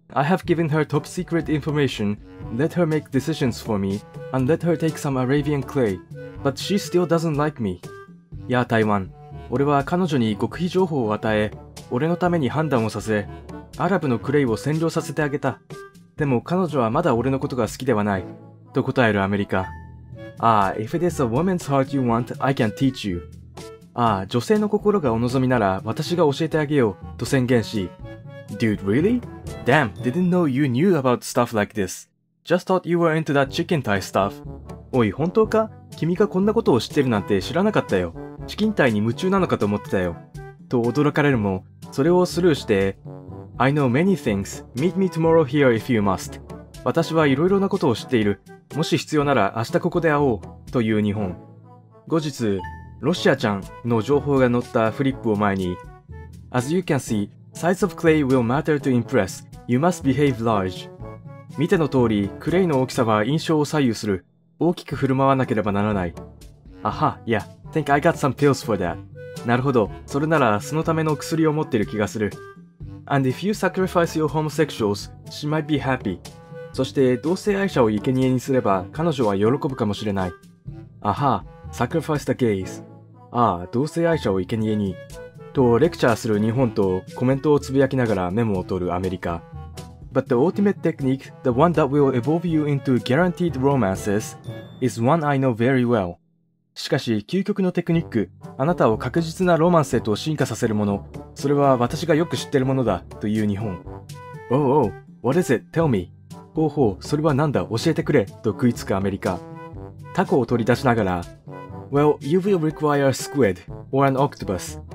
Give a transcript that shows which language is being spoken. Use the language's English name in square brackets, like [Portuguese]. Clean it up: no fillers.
[English] I have given her top secret information. Let her make decisions for me, and let her take some Arabian clay. But she still doesn't like me. [Japanese] やあ [English] Taiwan. [Japanese] 俺は彼女に極秘情報を与え、俺のために判断をさせ、アラブのクレイを占領させてあげた。でも彼女はまだ俺のことが好きではない。と答えるアメリカ。 [English] ああ、if it is a woman's heart you want, I can teach you. [Japanese] ああ、女性の心がお望みなら私が教えてあげよう。と宣言し。 [English] Dude, really? Damn, didn't know you knew about stuff like this. Just thought you were into that chicken Thai stuff. [Japanese] おい、本当か？君がこんなことを知ってるなんて知らなかったよ。チキンタイに夢中なのかと思ってたよ。と驚かれるも、それをスルーして、 [English] I know many things. Meet me tomorrow here if you must. [Japanese] 私はいろいろなことを知っている。もし必要なら明日ここで会おう。という日本。後日、ロシアちゃんの情報が載ったフリップを前に、 [English] As you can see, size of clay will matter to impress. You must behave large. [Japanese] 見ての通り、クレイの大きさは印象を左右する。大きく振る舞わなければならない。 [English] Aha, yeah. Think I got some pills for that. [Japanese] なるほど。それならそのための薬を持っている気がする。 [English] And if you sacrifice your homosexuals, she might be happy. [Japanese] そして同性愛者を生贄にすれば彼女は喜ぶかもしれない。 [English] Aha, sacrifice the gays. [Japanese] ああ、同性愛者を生贄に。とレクチャーする日本とコメントをつぶやきながらメモを取るアメリカ。 [English] But the ultimate technique, the one that will evolve you into guaranteed romances, is one I know very well. [Japanese] しかし、究極のテクニック、あなたを確実なロマンスへと進化させるもの、それは私がよく知ってるものだ、という日本。 [English] Oh, oh, what is it? Tell me. [Japanese] ほうほう、それはなんだ、教えてくれ、と食いつくアメリカ。タコを取り出しながら、 [English] Well, you will require a squid, or an octopus.